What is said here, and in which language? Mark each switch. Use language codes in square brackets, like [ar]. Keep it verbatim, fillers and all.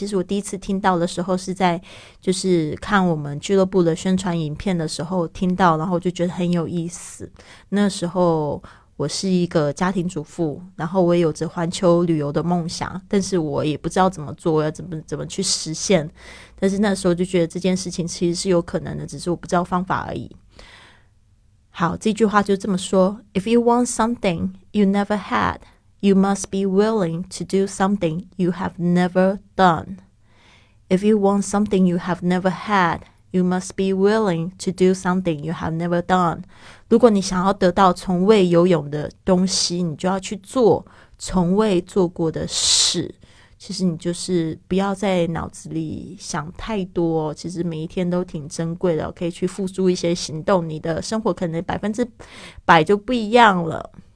[zh] 其实我第一次听到的时候是在就是看我们俱乐部的宣传影片的时候听到，然后就觉得很有意思。那时候我是一个家庭主妇，然后我也有着环球旅游的梦想，但是我也不知道怎么做，我要怎么怎么去实现。但是那时候就觉得这件事情其实是有可能的，只是我不知道方法而已。好，这句话就这么说 [en] ：If you want something you never had, you must be willing to do something you have never done. If you want something you have never had. You must be willing to do something you have never done. [zh] 如果你想要得到从未有勇的东西，你就要去做从未做过的事。其实你就是不要在脑子里想太多，其实每一天都挺珍贵的，可以去付出一些行动，你的生活可能百分之百就不一样了。